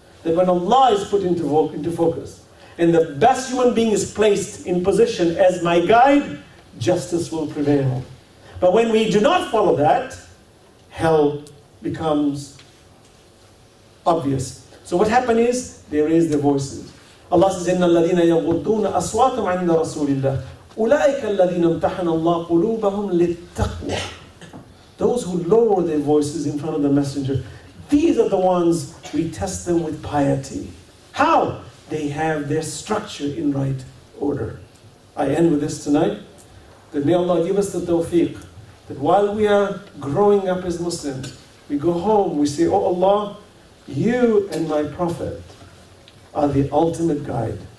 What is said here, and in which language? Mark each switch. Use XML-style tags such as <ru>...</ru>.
<en>That when Allah is put into focus, and the best human being is placed in position as my guide, justice will prevail. But when we do not follow that, hell becomes obvious. So what happened is, they raise their voices. Allah says,</en> <ar>إِنَّ الَّذِينَ يَغُضُّونَ أَصْوَاتُمْ عِنْدَ رَسُولِ اللَّهِ أُولَٰئِكَ الَّذِينَ امْتَحَنَ اللَّهُ قُلُوبَهُمْ لِلتَّقْوَىٰ.</ar> <en>Those who lower their voices in front of the messenger, these are the ones we test them with piety. How? They have their structure in right order. I end with this tonight. That may Allah give us the tawfiq, that while we are growing up as Muslims, we go home, we say, oh Allah, you and my Prophet are the ultimate guide.</en>